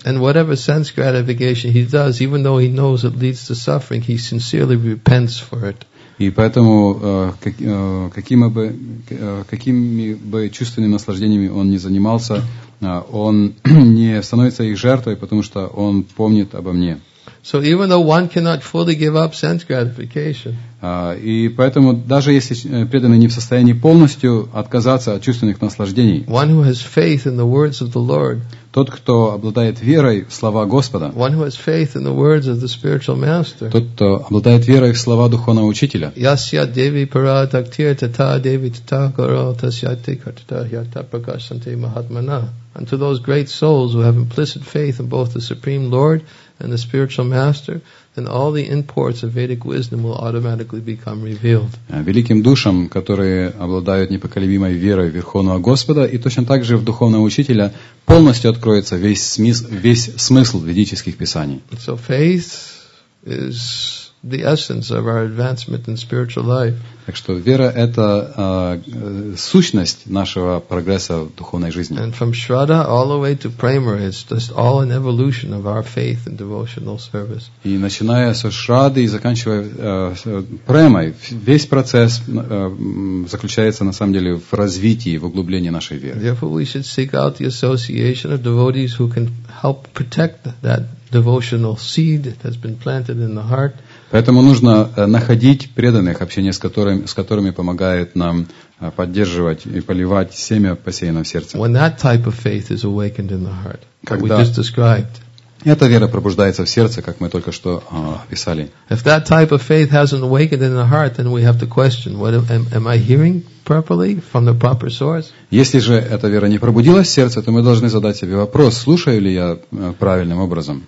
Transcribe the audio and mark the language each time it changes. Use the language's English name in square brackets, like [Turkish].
[English] And whatever sense gratification he does, even though he knows it leads to suffering, he sincerely repents for it. [Russian] И поэтому какими бы чувственными наслаждениями он ни занимался, он не становится их жертвой, потому что он помнит обо мне. [English] So even though one cannot fully give up sense gratification. [Russian] И поэтому даже если преданный не в состоянии полностью отказаться от чувственных наслаждений. [English] One who has faith in the words of the Lord. [Russian] Тот, кто обладает верой в слова Господа. [English] One who has faith in the words of the spiritual master. [Russian] Тот, кто обладает верой в слова духовного учителя. [Sanskrit] Ясья деви пара тактир тата деви тата кара тасья тика тата ята прагасанте махатмана. [English] And to those great souls who have implicit faith in both the Supreme Lord and the spiritual master, then all the imports of Vedic wisdom will automatically become revealed. [Russian] Великим душам, которые обладают непоколебимой верой в Верховного Господа и точно так же в Духовного Учителя, полностью откроется весь смысл ведических писаний. [English] So faith is the essence of our advancement in spiritual life. [Russian] Так что вера – это сущность нашего прогресса в духовной жизни. [English] And from Shraddha all the way to Prema, it's just all an evolution of our faith and devotional service. [Russian] И начиная со Шрадды и заканчивая Премой, весь процесс заключается на самом деле в развитии, в углублении нашей веры. [English] Therefore, we should seek out the association of devotees who can help protect that devotional seed that's been planted in the heart. [Russian] Поэтому нужно находить преданных, общение с которыми помогает нам поддерживать и поливать семя, посеянное в сердце. [English] When that type of faith is awakened in the heart, we just described. [Russian] Эта вера пробуждается в сердце, как мы только что описали. [English] If that type of faith hasn't awakened in the heart, then we have to question, what am I hearing properly from the proper source? [Russian] Если же эта вера не пробудилась в сердце, то мы должны задать себе вопрос, слушаю ли я правильным образом.